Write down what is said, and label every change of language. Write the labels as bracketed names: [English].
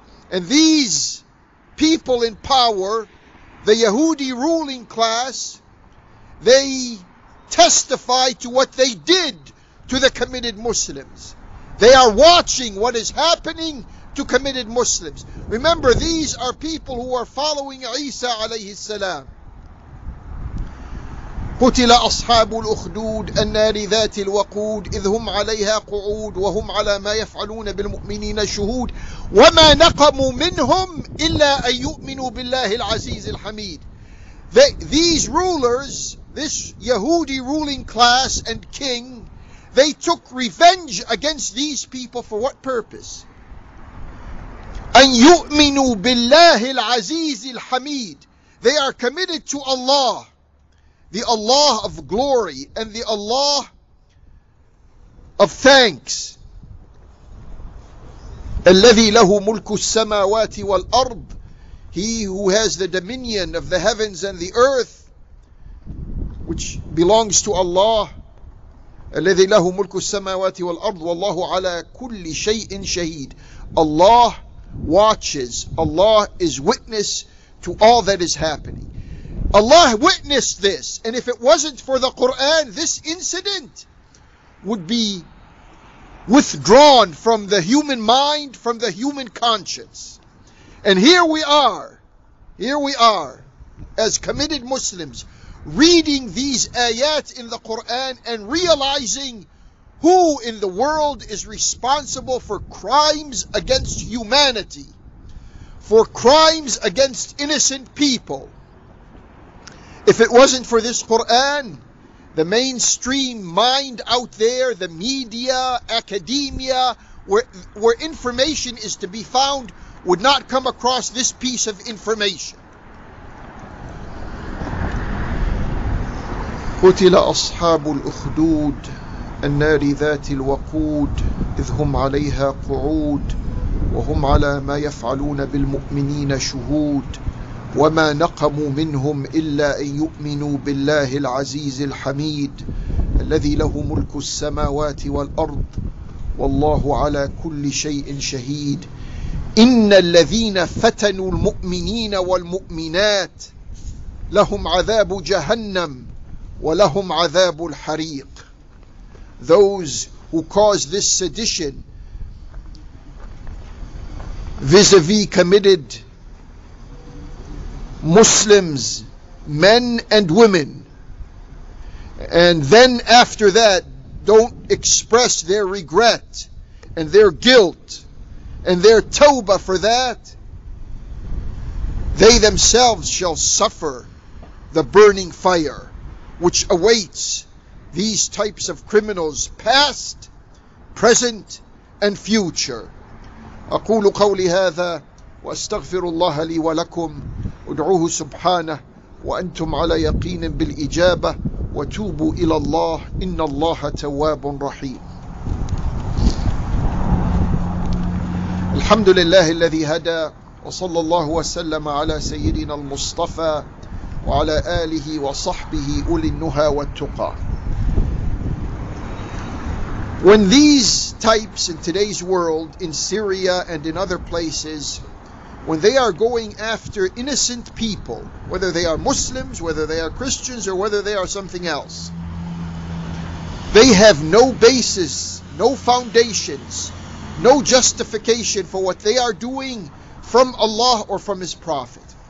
[English] And these people in power, the Yahudi ruling class, they testify to what they did to the committed Muslims. They are watching what is happening to committed Muslims. Remember, these are people who are following Isa alayhi salam. [Arabic] قتل أصحاب الأخدود النار ذات الوقود إذ هم عليها قعود وهم على ما يفعلون بالمؤمنين شهود وما نقموا منهم إلا أن يؤمنوا بالله العزيز الحميد. [English] These rulers, this Yahudi ruling class and king, they took revenge against these people for what purpose? [Arabic] أن يؤمنوا بالله العزيز الحميد. [English] They are committed to Allah, the Allah of glory and the Allah of thanks. [Arabic] الذي له ملك السماوات والأرض. [English] He who has the dominion of the heavens and the earth, which belongs to Allah. [Arabic] الذي له ملك السماوات والأرض والله على كل شيء شهيد. [English] Allah watches. Allah is witness to all that is happening. Allah witnessed this, and if it wasn't for the Quran, this incident would be withdrawn from the human mind, from the human conscience. And here we are, as committed Muslims, reading these ayat in the Quran and realizing who in the world is responsible for crimes against humanity, for crimes against innocent people. If it wasn't for this Quran, the mainstream mind out there, the media, academia, where information is to be found, would not come across this piece of information. [Arabic] قتل أصحاب الأخدود النار ذات الوقود إذ هم عليها قعود وهم على ما يفعلون بالمؤمنين شهود وما نقموا منهم إلا أن يؤمنوا بالله العزيز الحميد الذي له ملك السماوات والأرض والله على كل شيء شهيد إن الذين فتنوا المؤمنين والمؤمنات لهم عذاب جهنم ولهم عذاب الحريق. [English] Those who caused this sedition vis-a-vis committed Muslims, men and women, and then after that don't express their regret and their guilt and their tawbah for that, they themselves shall suffer the burning fire which awaits these types of criminals, past, present and future. [Arabic] أقول قولي هذا وأستغفر الله لي ولكم أدعوه سبحانه وأنتم على يقين بالإجابة وتوبوا إلى الله إن الله تواب رحيم. الحمد لله الذي هدى وصلى الله وسلم على سيدنا المصطفى وعلى آله وصحبه أولي النهى والتقى. [English] When these types in today's world, in Syria and in other places, when they are going after innocent people, whether they are Muslims, whether they are Christians, or whether they are something else, they have no basis, no foundations, no justification for what they are doing from Allah or from His Prophet.